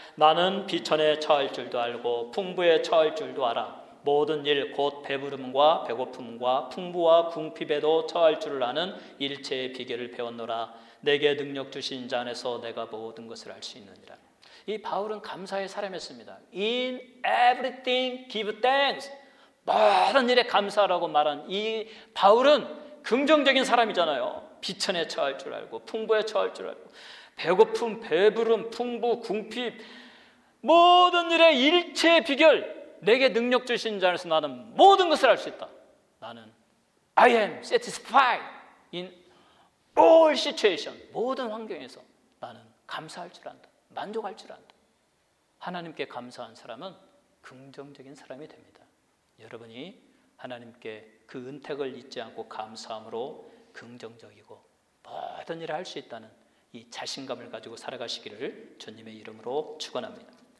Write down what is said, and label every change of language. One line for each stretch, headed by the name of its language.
Korean: 나는 비천에 처할 줄도 알고 풍부에 처할 줄도 알아. 모든 일 곧 배부름과 배고픔과 풍부와 궁핍에도 처할 줄을 아는 일체의 비결을 배웠노라. 내게 능력 주신 자 안에서 내가 모든 것을 알 수 있느니라. 이 바울은 감사의 사람이었습니다.
English: In everything give thanks.
Korean: 모든 일에 감사하라고 말한 이 바울은 긍정적인 사람이잖아요. 비천에 처할 줄 알고 풍부에 처할 줄 알고 배고픔, 배부름, 풍부, 궁핍, 모든 일의 일체의 비결, 내게 능력 주신 자 안에서 나는 모든 것을 알 수 있다. 나는
English: I am satisfied in all situation.
Korean: 모든 환경에서 나는 감사할 줄 안다, 만족할 줄 안다. 하나님께 감사한 사람은 긍정적인 사람이 됩니다. 여러분이 하나님께 그 은택을 잊지 않고 감사함으로 긍정적이고 모든 일을 할 수 있다는 이 자신감을 가지고 살아가시기를 주님의 이름으로 축원합니다.